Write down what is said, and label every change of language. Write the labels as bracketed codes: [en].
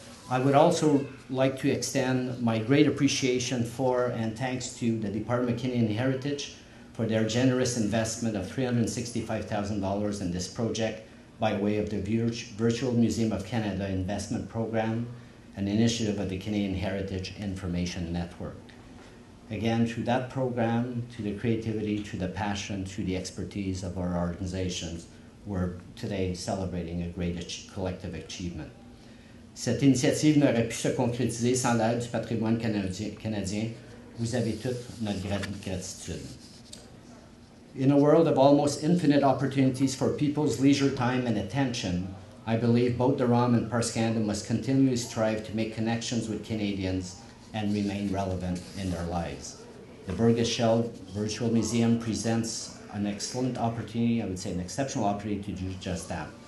[en] I would also like to extend my great appreciation for and thanks to the Department of Canadian Heritage for their generous investment of $365,000 in this project by way of the Virtual Museum of Canada Investment Program an initiative of the Canadian Heritage Information Network. Again, through that program, to the creativity, to the passion, to the expertise of our organizations, we're today celebrating a great collective achievement. [fr] Cette initiative n'aurait pu se concrétiser sans l'aide du patrimoine canadien. Vous avez toute notre gratitude. [en] In a world of almost infinite opportunities for people's leisure time and attention, I believe both the ROM and Parks Canada must continually strive to make connections with Canadians and remain relevant in their lives. The Burgess Shale Virtual Museum presents an excellent opportunity, I would say an exceptional opportunity, to do just that.